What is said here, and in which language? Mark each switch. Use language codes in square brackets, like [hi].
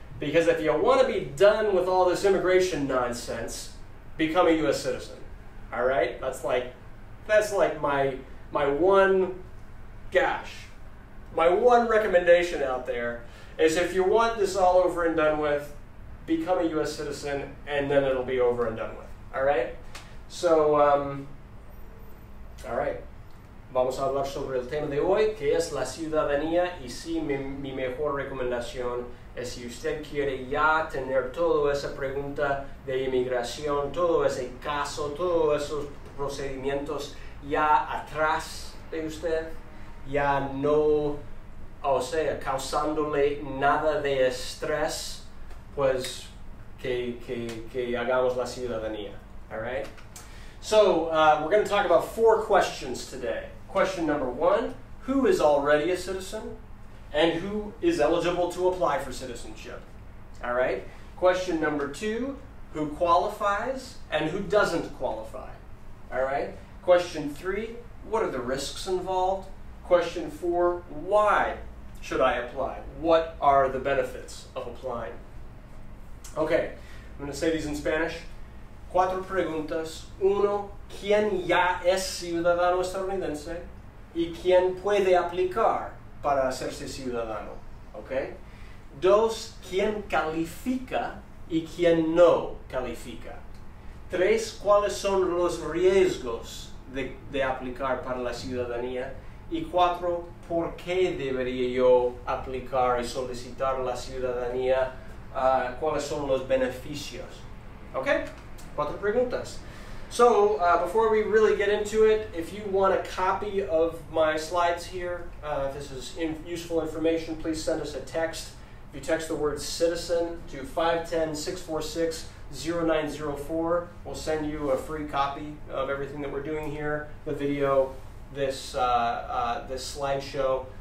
[en] Because if you want to be done with all this immigration nonsense, become a U.S. citizen. All right, that's like my one recommendation out there is if you want this all over and done with, become a U.S. citizen, and then it'll be over and done with. All right, so all right, [es] vamos a hablar sobre el tema de hoy, que es la ciudadanía. Y sí, mi mejor recomendación es si usted quiere ya tener toda esa pregunta de inmigración, todo ese caso, todos esos procedimientos ya atrás de usted, ya no, o sea, causándole nada de estrés, pues que hagamos la ciudadanía. [en] All right? So, we're going to talk about four questions today. Question number one, who is already a citizen? And who is eligible to apply for citizenship? All right. Question number two, who qualifies and who doesn't qualify? All right. Question three, what are the risks involved? Question four, why should I apply? What are the benefits of applying? Okay, I'm going to say these in Spanish. [es] Cuatro preguntas. Uno, ¿quién ya es ciudadano estadounidense? ¿Y quién puede aplicar para hacerse ciudadano? Okay. Dos, ¿quién califica y quién no califica? Tres, ¿cuáles son los riesgos de aplicar para la ciudadanía? Y cuatro, ¿por qué debería yo aplicar y solicitar la ciudadanía? ¿Cuáles son los beneficios? Okay. Cuatro preguntas. [en] So, before we really get into it, if you want a copy of my slides here, this is useful information, please send us a text. If you text the word citizen to 510-646-0904, we'll send you a free copy of everything that we're doing here, the video, this slideshow,